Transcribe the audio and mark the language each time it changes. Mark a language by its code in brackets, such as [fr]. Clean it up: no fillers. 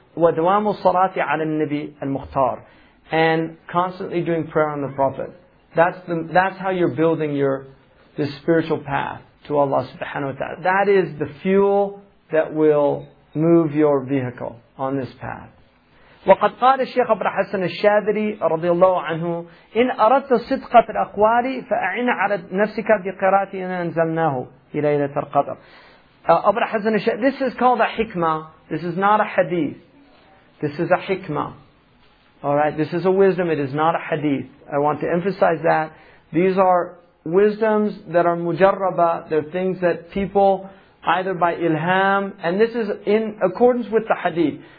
[ar] وَدْوَامُ الصَّلَاةِ عَلَى النَّبِيِّ الْمُخْتَارِ. [en] And constantly doing prayer on the Prophet. That's how you're building your this spiritual path to Allah subhanahu wa ta'ala. That is the fuel that will move your vehicle on this path. [ar] وقد قال الشيخ أبو الحسن الشاذلي رضي الله عنه إن أردت صدقة الأقوال فأعن على نفسك بقراءة إن أنزلناه في ليلة القدر. [en] أبو الحسن الشاذلي, this is called a hikmah. This is not a hadith. This is a hikmah. Alright, this is a wisdom, it is not a hadith. I want to emphasize that. These are wisdoms that are mujarraba, they're things that people, either by ilham, and this is in accordance with the hadith.